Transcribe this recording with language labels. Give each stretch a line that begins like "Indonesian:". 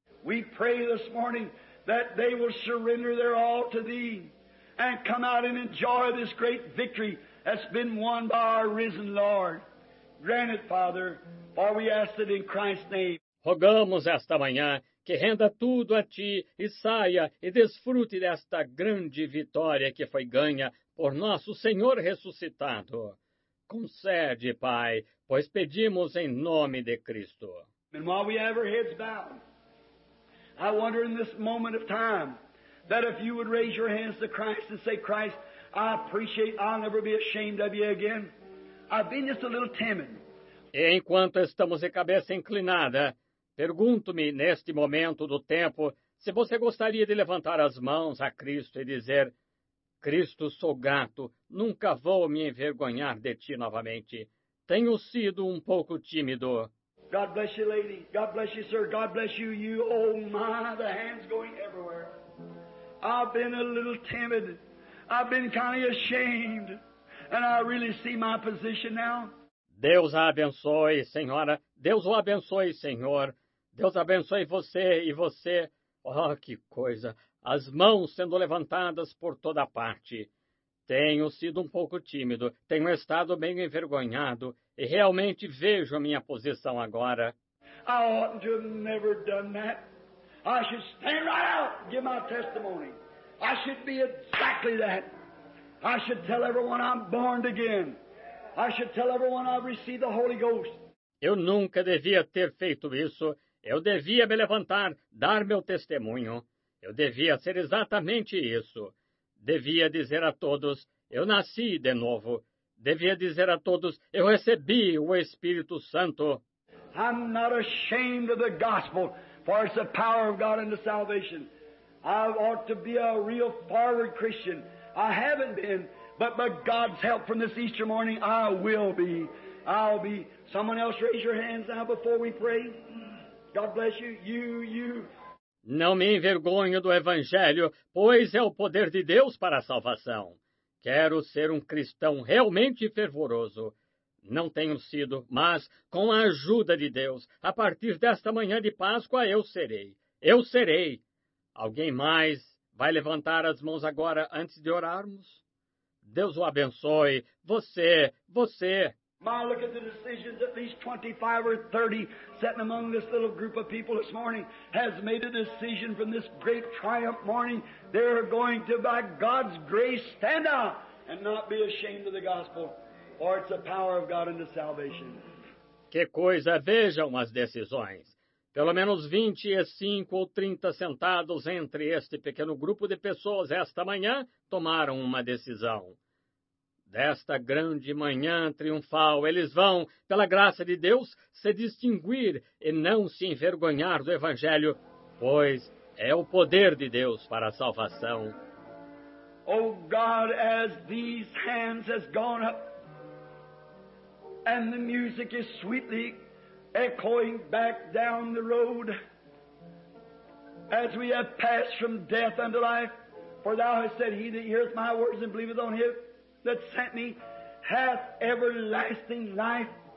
English: We pray this morning that they will surrender their all to thee and come out and enjoy this great victory that's been won by our risen Lord. Grant it, Father, for we ask it in Christ's name.
Portuguese: Rogamos esta manhã que renda tudo a ti e saia e desfrute desta grande vitória que foi ganha por nosso Senhor ressuscitado. Concede, Pai, pois pedimos em nome de Cristo.
English: And while we have our heads bowed, I wonder in this moment of time that if you would raise your hands to Christ and say, Christ, I appreciate, I'll never be ashamed of you again. I've been just a little timid.
Portuguese: E enquanto estamos de cabeça inclinada, pergunto-me, neste momento do tempo, se você gostaria de levantar as mãos a Cristo e dizer, Cristo, sou grato, nunca vou me envergonhar de ti novamente. Tenho sido um pouco tímido.
English: God bless you, lady. God bless you, sir. God bless you, you. Oh, my, the hands going everywhere. I've been a little timid. I've been kind of ashamed. And I really see my position now.
Portuguese: Deus a abençoe, senhora. Deus o abençoe, senhor. Deus abençoe você e você. Oh, que coisa! As mãos sendo levantadas por toda parte. Tenho sido um pouco tímido. Tenho estado meio envergonhado. E realmente vejo a minha posição agora.
English: I oughtn't to have never done that. I should stand right out and give my testimony. I should be exactly that. I should tell everyone I'm born again. I should tell everyone I've received the Holy Ghost.
Portuguese: Eu nunca devia ter feito isso. Eu devia me levantar, dar meu testemunho. Eu devia ser exatamente isso. Devia dizer a todos, eu nasci de novo. Devia dizer a todos, eu recebi o Espírito Santo.
English: I'm not ashamed of the gospel, for it's the power of God unto salvation. I ought to be a real forward Christian. I haven't been. But by God's help from this Easter morning, I will be. I'll be. Someone else raise your hands now before we pray. God bless you. You.
Portuguese: Não me envergonho do Evangelho, pois é o poder de Deus para a salvação. Quero ser um cristão realmente fervoroso. Não tenho sido, mas com a ajuda de Deus, a partir desta manhã de Páscoa, eu serei. Eu serei. Alguém mais vai levantar as mãos agora antes de orarmos? Deus o abençoe. Você.
English: My, look at the decisions. At least 25 or 30 sitting among this little group of people this morning has made a decision from this great triumph morning. They're going to, by God's grace, stand out and not be ashamed of the gospel, for it's the power of God unto salvation.
Portuguese: Que coisa, vejam as decisões. Pelo menos 25 ou 30 sentados entre este pequeno grupo de pessoas esta manhã tomaram uma decisão. Desta grande manhã triunfal, eles vão, pela graça de Deus, se distinguir e não se envergonhar do Evangelho, pois é o poder de Deus para a salvação.
English: Oh, God, as these hands has gone up, and the music is sweetly echoing back down the road, as we have passed from death unto life, for thou hast said, he that heareth my words and believeth on him that sent me hath everlasting life.